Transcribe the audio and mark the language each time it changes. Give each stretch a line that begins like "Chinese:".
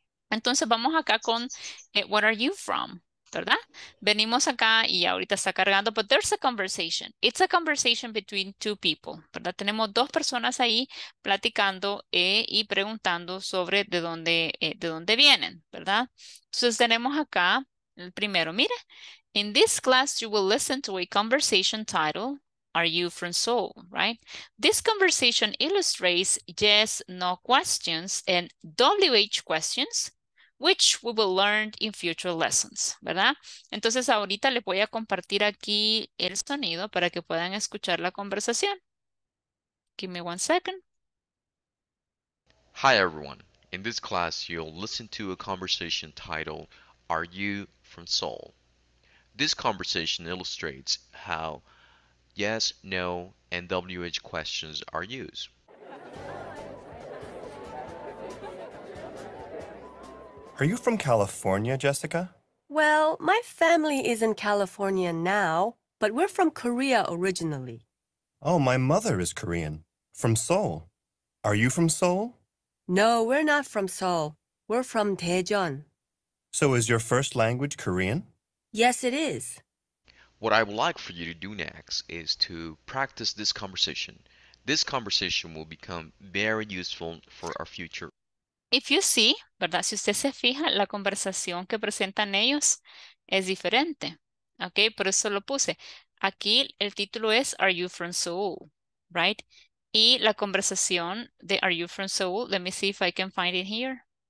Spanish: Entonces vamos acá con
English: where are you from,
Spanish: ¿verdad? Venimos acá y ahorita está cargando,
English: but there's a conversation. It's a conversation between 2 people,
Spanish: ¿verdad? Tenemos 2 personas ahí platicando y preguntando sobre de dónde vienen, ¿verdad? Entonces tenemos acá el primero. Mira,
English: in this class you will listen to a conversation titled Are you from Seoul, right? This conversation illustrates yes, no questions and WH questions, which we will learn in future lessons,
Spanish: ¿verdad? Entonces ahorita le voy a compartir aquí el sonido para que puedan escuchar la conversación.
English: Give me one second. Hi everyone. In this class, you'll listen to a conversation titled, Are You from Seoul? This conversation illustrates how yes, no, and WH questions are used. Are you from California, Jessica? Well, my family is in California now, but we're from Korea originally. Oh, my mother is Korean, from Seoul. Are you from Seoul? No, we're not from Seoul. We're from Daejeon. So is your first language Korean? Yes, it is. What I would like for you to do next is to practice this conversation. This conversation will become very useful for our future. If you see,
Spanish: ¿verdad? Si usted se fija, la conversación que presentan ellos es diferente. Okay, por eso lo puse. Aquí el título es Are You From Seoul? Right? Y la conversación de
English: Are You From Seoul? Let me see if I can find it here.